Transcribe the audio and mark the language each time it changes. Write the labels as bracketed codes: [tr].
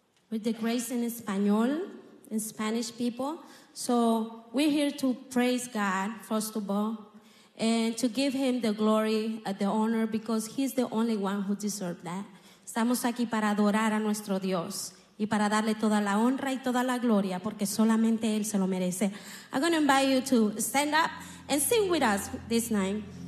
[en] With the grace in Espanol, in Spanish people. So we're here to praise God, first of all, and to give him the glory, the honor, because he's the only one who deserves that. [es] Estamos aquí para adorar a nuestro Dios y para darle toda la honra y toda la gloria, porque solamente él se lo merece. [en] I'm going to invite you to stand up and sing with us this night.